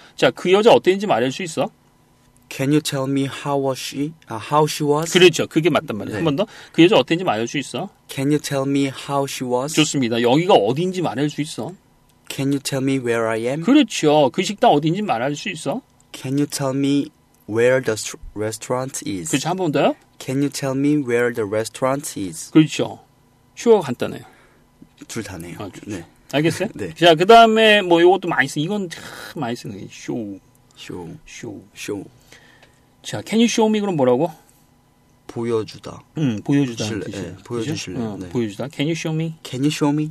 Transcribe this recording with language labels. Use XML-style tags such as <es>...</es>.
<ko>자, 그 여자 어땠는지 말할 수 있어?</ko> <en>Can you tell me how was she? How she was?</en> <ko>그렇죠. 그게 맞단 말이야. 네. 한 번 더. 그 여자 어땠는지 말할 수 있어?</ko> <en>Can you tell me how she was?</en> <ko>좋습니다. 여기가 어딘지 말할 수 있어?</ko> <en>Can you tell me where I am?</en> <ko>그렇죠. 그 식당 어딘지 말할 수 있어?</ko> <en>Can you tell me where the restaurant is?</en> <ko>그렇죠. 한 번 더요.</ko> <en>Can you tell me where the restaurant is?</en> <ko>그렇죠. 쉬워 간단해요. 둘 다네요. 아, 네. 알겠어요? 네. 자, 그 다음에 뭐 이것도 많이 쓰는, 이건 참 많이 쓰는 게 쇼.</ko> <en>쇼. 쇼. 쇼. 자, Can you show me</en> <ko>그럼 뭐라고? 보여주다. 보여주다. 네, 보여주실래요? 어, 네. 보여주다.</ko> <en>Can you show me? Can you show me?</en>